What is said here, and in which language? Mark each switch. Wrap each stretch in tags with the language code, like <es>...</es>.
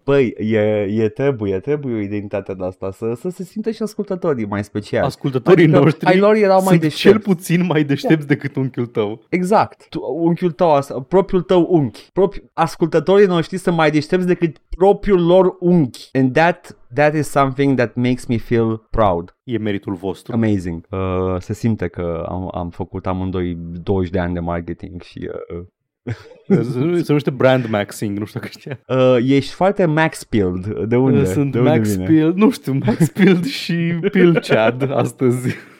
<ro>Păi, trebuie o identitate de asta, să se simtă și ascultătorii mai special. Ascultătorii adică noștri ai lor erau mai sunt deștepți. Cel puțin mai deștepți decât unchiul tău. Exact. Unchiul tău, propriul tău unchi. Ascultătorii noștri sunt mai deștepți decât propriul lor unchi.</ro> <en>And that is something that makes me feel proud.</en> <ro>E meritul vostru.</ro> <en>Amazing.</en> <ro>Se simte că am făcut amândoi 20 de ani de marketing și... Se numește brand maxing, nu știu că știa. Ești foarte max pilled. De unde? Sunt de unde max pilled, nu știu, max pilled și pill chad astăzi.</ro>